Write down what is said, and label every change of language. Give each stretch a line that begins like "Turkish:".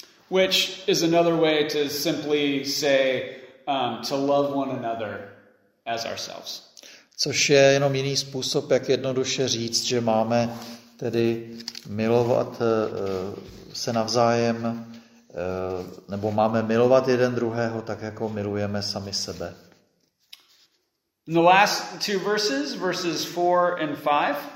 English: Which is another way to simply say to love one another as ourselves.
Czech: Což je jenom jiný způsob, jak jednoduše říct, že máme tedy milovat se navzájem, nebo máme milovat jeden druhého tak, jako milujeme sami sebe.
English: In the last two verses 4 and 5.